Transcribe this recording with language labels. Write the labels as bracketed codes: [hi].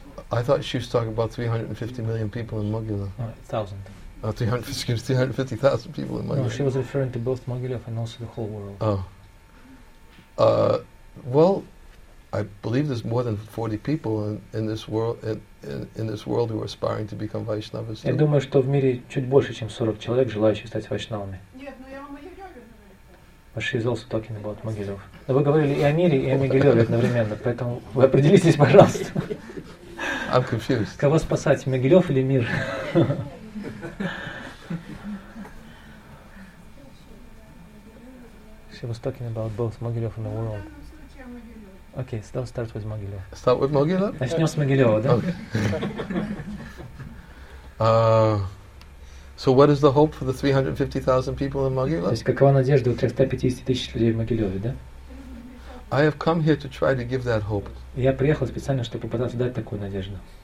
[en] I thought she was talking about 350 million people in Mogilev. Excuse me, 350,000 people in Mogilev. No, she was referring to both Mogilev and also the whole world. Oh. Well, I believe there's more than 40 people in this world in this world who are aspiring to become Vaishnavas. [ru] Я думаю, что в мире чуть больше, чем 40 человек, желающих стать вайшнавами. Нет, но я вам Могилев говорю. [en] She is also talking about Mogilev. [ru] Но вы говорили и о мире, и о Могилеве одновременно, поэтому вы определитесь, пожалуйста. [en] I'm confused. [ru] Кого спасать, Могилев или мир? [en] She was talking about both Mogilev and the world. Okay, so let's start with Mogilev. Start with Mogilev? [ru] Начнем с Могилева, да? [en] Okay. So what is the hope for the 350,000 people in Mogilev? [ru] То есть какова надежда у 350 тысяч людей в Могилеве, да? [en] I have come here to try to give that hope. [ru] Я приехал специально, чтобы попытаться дать такую надежду.